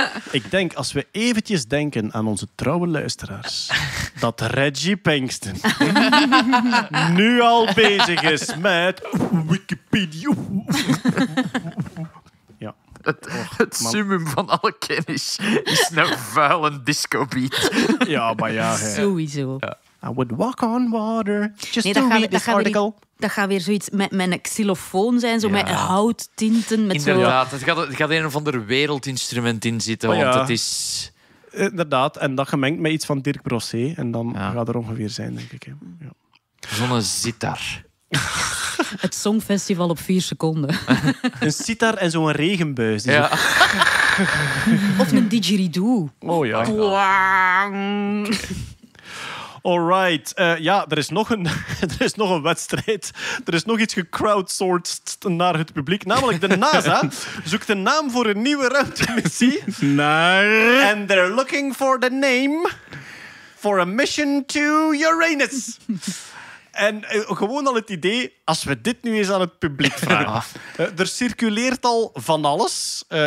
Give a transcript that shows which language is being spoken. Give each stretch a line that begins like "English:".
Dutch: Ik denk, als we eventjes denken aan onze trouwe luisteraars... dat Reggie Pinkston nu al bezig is met Wikipedia. Ja. Het summum van alle kennis is een vuile discobeat. Ja, maar ja. Hè. Sowieso. Ja.
English: I would walk on water just to read this article.
Dutch: Dat gaat weer zoiets met een xylofoon zijn, zo met houttinten. Inderdaad, het gaat een of ander wereldinstrument in zitten, want het is... Inderdaad, en dat gemengd met iets van Dirk Brossé. En dan gaat er ongeveer zijn, denk ik. Ja. Zo'n zitar. Het Songfestival op 4 seconden. Een sitar en zo'n regenbuis. Ja. Of een didgeridoo. Oh ja. Okay. Alright, er is nog een wedstrijd. Er is nog iets gecrowdsourced naar het publiek. Namelijk de NASA zoekt een naam voor een nieuwe ruimtemissie.
English: And they're looking for the name for a mission to Uranus.
Dutch: En gewoon al het idee, als we dit nu eens aan het publiek vragen. Er circuleert al van alles.